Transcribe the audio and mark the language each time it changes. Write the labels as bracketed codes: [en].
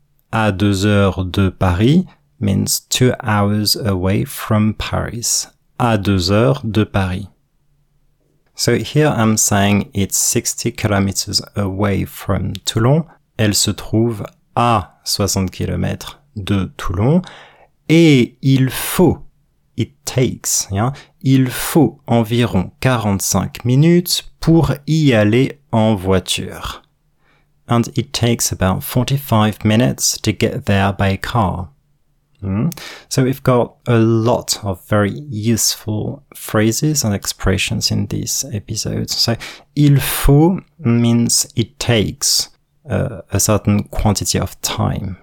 [fr] À 2 heures de Paris [en] means 2 hours away from Paris. [fr] À 2 heures de Paris. [en] So here I'm saying it's 60 kilometers away from Toulon. [fr] Elle se trouve à 60 kilomètres de Toulon. Et il faut, [en] it takes, yeah, [fr] il faut environ 45 minutes pour y aller en voiture. [en] And it takes about 45 minutes to get there by car. So we've got a lot of very useful phrases and expressions in this episode. So, [fr] il faut [en] means it takes a certain quantity of time.